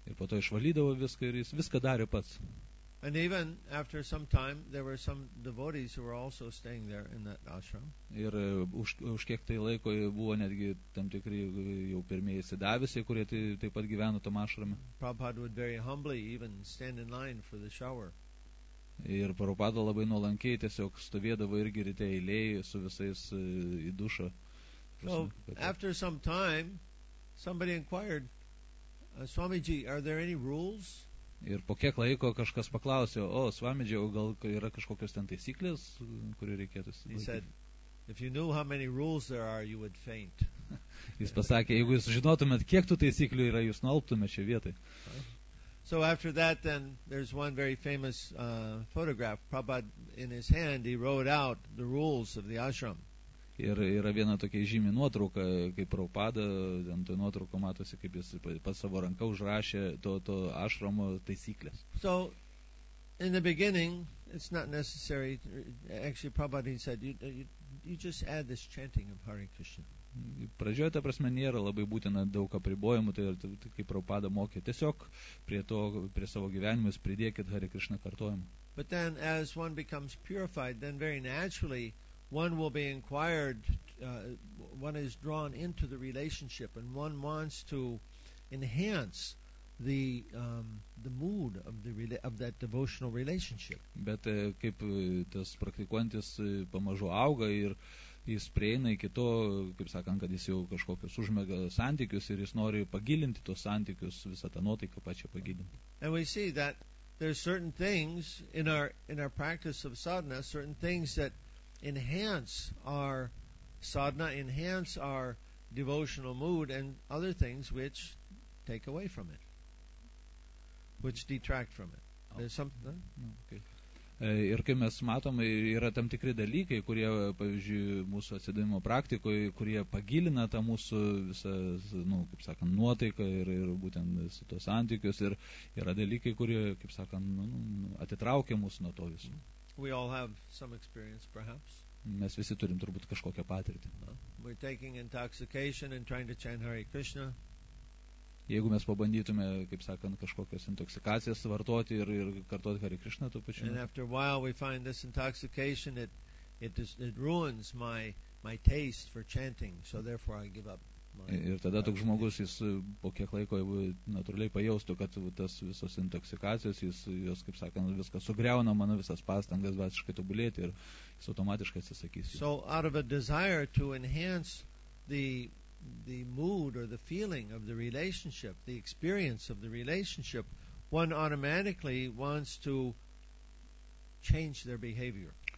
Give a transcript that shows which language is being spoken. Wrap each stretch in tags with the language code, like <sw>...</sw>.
<lt>Ir po to išvalydavo viską ir jis viską darė pats.</lt> <en>And even after some time, there were some devotees who were also staying there in that ashram.</en> <lt>Ir už kiek tai laiko buvo netgi tam tikri jau pirmieji sidavisi, kurie taip pat gyveno tam ašrame.</lt> <en>Prabhupada would very humbly even stand in line for the shower.</en> <lt>Ir Prabhupada labai nuolankiai tiesiog stovėdavo irgi ryte eilėje su visais į dušą.</lt> <en>So, after some time, somebody inquired, Swamiji, are there any rules?</en> <lt>Ir po kiek laiko kažkas paklausė, o, Swamiji, gal yra kažkokios ten taisyklės, kurių reikėtų laikyti?</lt> <en>He said, if you knew how many rules there are, you would faint.</en> <lt>Jis pasakė, jeigu jūs žinotumėt, kiek tų taisyklių yra, jūs nualptumėt šią vietą.</lt> <en>So after that, then, there's one very famous photograph. Prabhupada, in his hand, he wrote out the rules of the ashram.</en> <lt>Ir yra viena tokia žymi nuotrauka, kaip Prabhupada, ten toj nuotrauko matosi, kaip jis pat savo ranka užrašė to ašramo taisyklės.</lt> <en>So, in the beginning, it's not necessary, actually Prabhupada said, you just add this chanting of Hare Krishna.</en> <lt>Pradžioje, ta prasme, nėra labai būtina daug apribojimų, tai kaip Prabhupada mokė, tiesiog prie savo gyvenimo jis pridėkit Hare Krishna kartojimą.</lt> <en>But then, as one becomes purified, then very naturally, one will be inquired, one is drawn into the relationship and one wants to enhance the mood of that devotional relationship.</en> <lt>Bet kaip tas praktikuojantis pamažu auga ir jis prieina iki to, kaip sakant, kad jis jau kažkokius užmega santykius ir jis nori pagilinti tos santykius, visą tą nuotaiką pačią pagilinti.</lt> <en>And we see that there are certain things in our practice of sadhana, certain things that enhance our sadhana, enhance our devotional mood, and other things which take away from it, which detract from it. There's something. Okay.</en> <lt>Ir kai mes matom, yra tam tikri dalykai, kurie, pavyzdžiui, mūsų atsidavimo praktikoje, kurie pagilina tą mūsų visą, nu, kaip sakant, nuotaiką ir būtent su to santykius, ir yra dalykai, kurie, kaip sakant, atitraukia mūsų nuo to visų.</lt> <en>We all have some experience, perhaps.</en> <lt>Mes visi turim turbūt kažkokią patirtį.</lt> <en>We're taking intoxication and trying to chant Hare Krishna.</en> <lt>Jeigu mes pabandytume, kaip sakant, kažkokias intoksikacijas vartoti ir kartuoti Hare Krishna tuo pačiu.</lt> <en>And after a while we find this intoxication, it ruins my taste for chanting, so therefore I give up.</en> <lt>Ir tada toks žmogus, jis po kiek laiko natūraliai pajaustų, kad tas visos intoksikacijos, jos, kaip sakant, viskas sugriauna mano visas pastangas vasiškai tobulėti ir jis automatiškai atsisakys.</lt> <en>So out of a desire to enhance the mood or the feeling of the relationship, the experience of the relationship, one automatically wants to change their behavior.</en>